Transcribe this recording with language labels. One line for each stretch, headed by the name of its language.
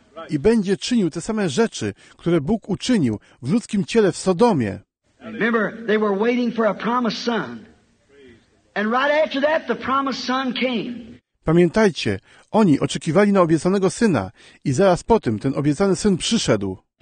Polish: I będzie czynił te same rzeczy, które Bóg uczynił w ludzkim ciele w Sodomie.
English: Remember, they were waiting for a promised son. And right after that, the promised son came.
Polish: Pamiętajcie, oni oczekiwali na obiecanego Syna i zaraz po tym ten obiecany Syn przyszedł.